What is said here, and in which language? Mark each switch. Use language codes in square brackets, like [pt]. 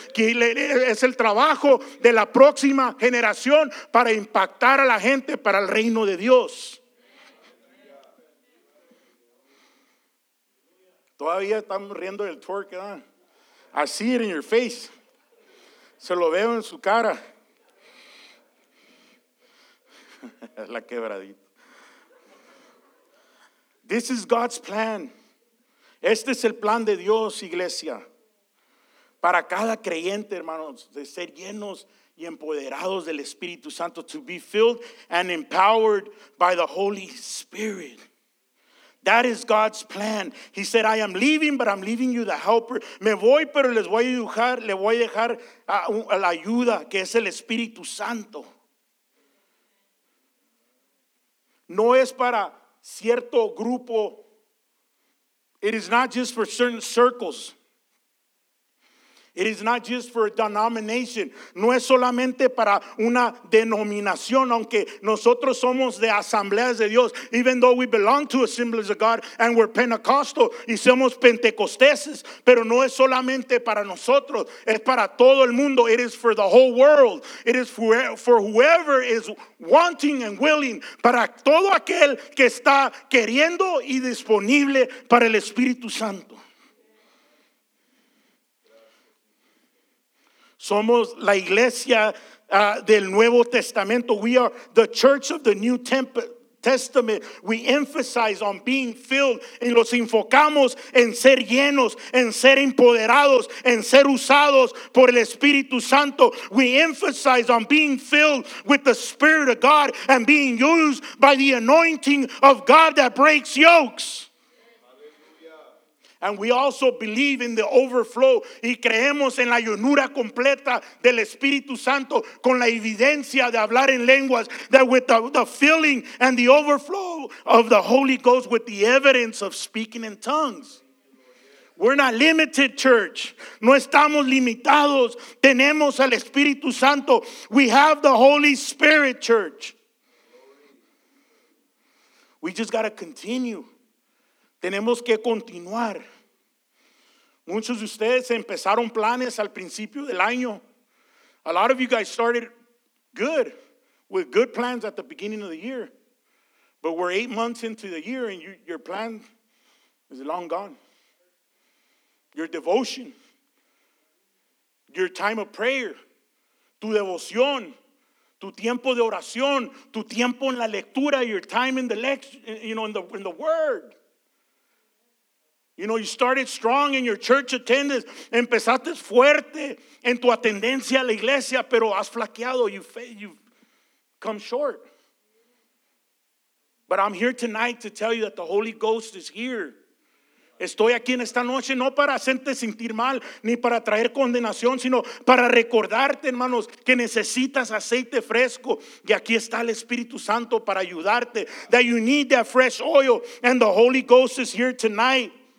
[es] Que es el trabajo de la próxima generación para impactar a la gente para el reino de Dios. Todavía estamos riendo del twerk, ¿eh? [en] I see it in your face. [es] Se lo veo en su cara. La quebradita. [en] This is God's plan. [es] Este es el plan de Dios, iglesia, para cada creyente, hermanos, de ser llenos y empoderados del Espíritu Santo, [en] to be filled and empowered by the Holy Spirit. That is God's plan. He said, I am leaving, but I'm leaving you the helper. [es] Me voy, pero le voy a dejar a la ayuda, que es el Espíritu Santo. no es para cierto grupo. [en] It is not just for certain circles. It is not just for a denomination. [es] No es solamente para una denominación, aunque nosotros somos de asambleas de Dios. [en] Even though we belong to assemblies of God and we're Pentecostal [es] y somos pentecosteses, pero no es solamente para nosotros. Es para todo el mundo. [en] It is for the whole world. It is for whoever is wanting and willing. [es] Para todo aquel que está queriendo y disponible para el Espíritu Santo. Somos la iglesia del Nuevo Testamento. [en] We are the church of the New Testament. We emphasize on being filled. [es] Y los enfocamos en ser llenos, en ser empoderados, en ser usados por el Espíritu Santo. [en] We emphasize on being filled with the Spirit of God and being used by the anointing of God that breaks yokes. And we also believe in the overflow. [es] Y creemos en la llenura completa del Espíritu Santo con la evidencia de hablar en lenguas. [en] That with the filling and the overflow of the Holy Ghost with the evidence of speaking in tongues. We're not limited, church. [es] No estamos limitados. Tenemos al Espíritu Santo. [en] We have the Holy Spirit, church. We just got to continue. [es] Tenemos que continuar. Muchos de ustedes empezaron planes al principio del año. [en] A lot of you guys started good, with good plans at the beginning of the year. But we're 8 months into the year and your plan is long gone. Your devotion, your time of prayer, [es] tu devoción, tu tiempo de oración, tu tiempo en la lectura, [en] your time in the lecture, you know, in the word. You know, you started strong in your church attendance. [es] Empezaste fuerte en tu atendencia a la iglesia, pero has flaqueado. [en] You've come short. But I'm here tonight to tell you that the Holy Ghost is here. [es] Estoy aquí en esta noche no para hacerte sentir mal ni para traer condenación, sino para recordarte, hermanos, que necesitas aceite fresco. Y aquí está el Espíritu Santo para ayudarte. [en] That you need that fresh oil, and the Holy Ghost is here tonight.